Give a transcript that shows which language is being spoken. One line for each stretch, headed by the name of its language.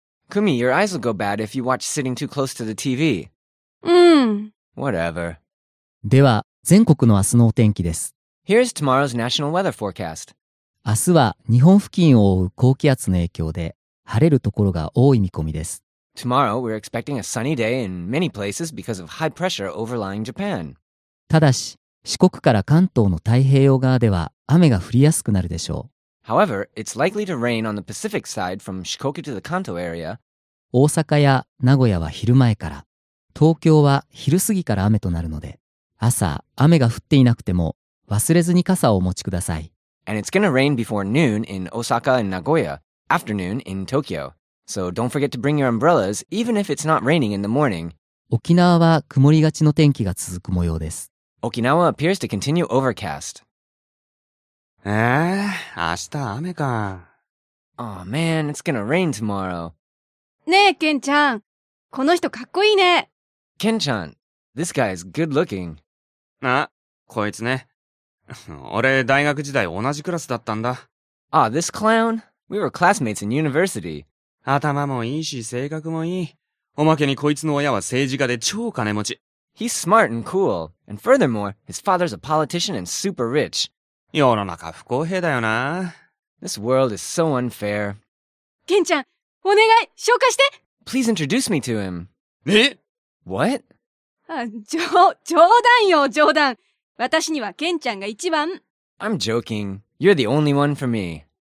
English: クミ、 your eyes will go bad if you watch sitting too close to the TV。
Japanese: うん、
English: whatever。
Japanese: では全国の明日のお天気です。
English: Here's tomorrow's national weather forecast。
Japanese: 明日は日本付近を覆う高気圧の影響で晴れるところが多い見込みです。
English: Tomorrow, we're expecting a sunny day in many places because of high pressure overlying Japan.
Japanese: ただし、四国から関東の太平洋側では雨が降りやすくなるでしょう。
English: However, it's likely to rain on the Pacific side from Shikoku to the Kanto area.
Japanese: 大阪や名古屋は昼前から、東京は昼過ぎから雨となるので、朝雨が降っていなくても忘れずに傘をお持ちください。
English: And it's gonna rain before noon in Osaka and Nagoya, afternoon in Tokyo. So don't forget to bring your umbrellas, even if it's not raining in the morning.
Japanese: 沖縄は曇りがちの天気が続く模様です。
English: Okinawa appears to continue overcast.
Japanese: 明日雨か。
English: Oh man, it's gonna rain tomorrow.
Japanese: ねえ、ケンちゃん。この人かっこいいね。
English: ケンちゃん、this guy is good looking.
Japanese: あ、こいつね。俺、大学時代同じクラスだったんだ。
English: Ah, this clown? We were classmates in university.
Japanese: 頭もいいし、性格もいい。おまけにこいつの親は政治家で超金持ち。
English: He's smart and cool. And furthermore, his father's a politician and super rich.
Japanese: 世の中不公平だよな。
English: This world is so unfair.
Japanese: ケンちゃん、お願い、紹介して。
English: Please introduce me to him.
Japanese: え?
English: What?
Japanese: あ、冗談よ、冗談。私にはケンちゃんが一番。
English: I'm joking. You're the only one for me.